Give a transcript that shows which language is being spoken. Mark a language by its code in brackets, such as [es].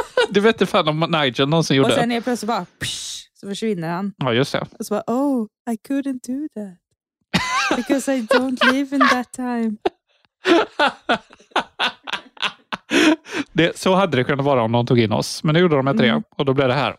[sv] Du vet inte fan om Nigel någonsin gjorde det. Och sen är det plötsligt bara, psh, så försvinner han. Ja, just det. Och så bara, [en] oh, I couldn't do that. Because I don't live in that time. [sv] Det, så hade det kunnat vara om någon tog in oss. Men nu gjorde de ett rem och då blev det här.